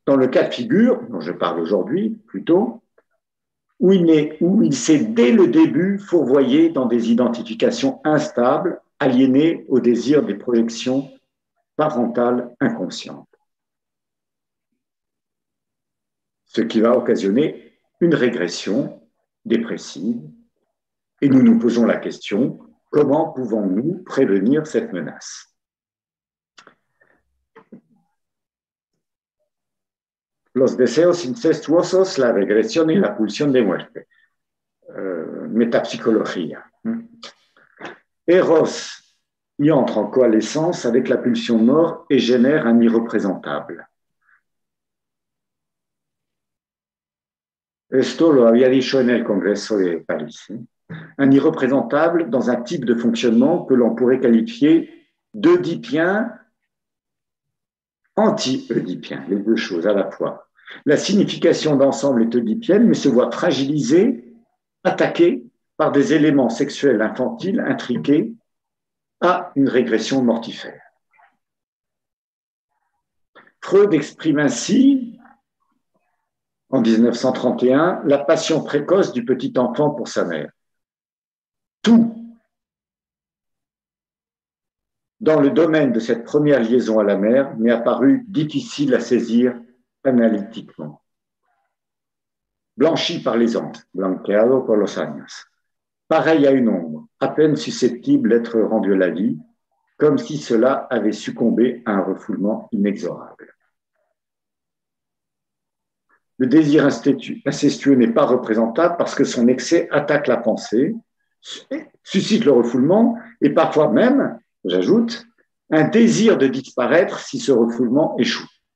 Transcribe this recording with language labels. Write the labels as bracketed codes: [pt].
[fr] Dans le cas de figure, dont je parle aujourd'hui plutôt, où il s'est dès le début fourvoyé dans des identifications instables, aliénées au désir des projections parentales inconscientes. Ce qui va occasionner une régression dépressive. Et nous nous posons la question, comment pouvons-nous prévenir cette menace? [es] Los deseos incestuosos, la regresión y la pulsión de muerte. [fr] Métapsychologie. [es] Eros y [fr] entre en coalescence avec la pulsion mort et génère un irreprésentable. [es] Esto lo había dicho en el Congreso de París. [fr] Un irreprésentable dans un type de fonctionnement que l'on pourrait qualifier d'œdipien anti-œdipien, les deux choses à la fois. La signification d'ensemble est œdipienne, mais se voit fragilisée, attaquée par des éléments sexuels infantiles intriqués à une régression mortifère. Freud exprime ainsi en 1931, la passion précoce du petit enfant pour sa mère. Tout dans le domaine de cette première liaison à la mère m'est apparu difficile à saisir analytiquement. Blanchi par les ans, [es] blanqueado por los años. [fr] Pareil à une ombre, à peine susceptible d'être rendue à la vie, comme si cela avait succombé à un refoulement inexorable. Le désir incestueux n'est pas représentable parce que son excès attaque la pensée, suscite le refoulement et parfois même, j'ajoute, un désir de disparaître si ce refoulement échoue.